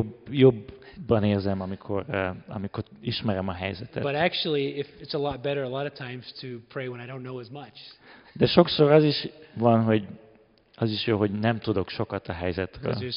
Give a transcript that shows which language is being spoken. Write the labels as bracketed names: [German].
[Hungarian] Jobban érzem, amikor ismerem a helyzetet. [English] But actually, if it's a lot better a lot of times to pray when I don't know as much. [Hungarian] De sokszor az is van, hogy az is jó, hogy nem tudok sokat a helyzetről.